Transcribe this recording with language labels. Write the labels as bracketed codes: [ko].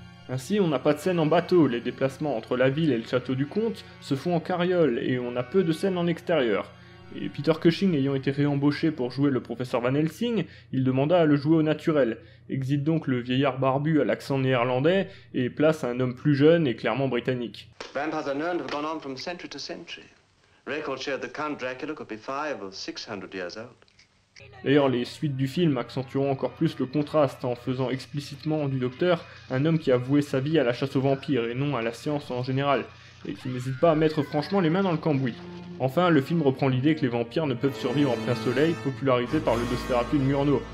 [fr] Ainsi, on n'a pas de scène en bateau, les déplacements entre la ville et le château du comte se font en carriole et on a peu de scènes en extérieur. Et Peter Cushing ayant été réembauché pour jouer le professeur Van Helsing, il demanda à le jouer au naturel. Exit donc le vieillard barbu à l'accent néerlandais et place un homme plus jeune et clairement britannique. [en] Vampires are known to have gone on from century to century. Records show the Count Dracula could be 500 or 600 years old. [fr] D'ailleurs, les suites du film accentueront encore plus le contraste en faisant explicitement du docteur un homme qui a voué sa vie à la chasse aux vampires et non à la science en général, et qui n'hésite pas à mettre franchement les mains dans le cambouis. Enfin, le film reprend l'idée que les vampires ne peuvent survivre en plein soleil, popularisé par le Dostoyevski de Murnau.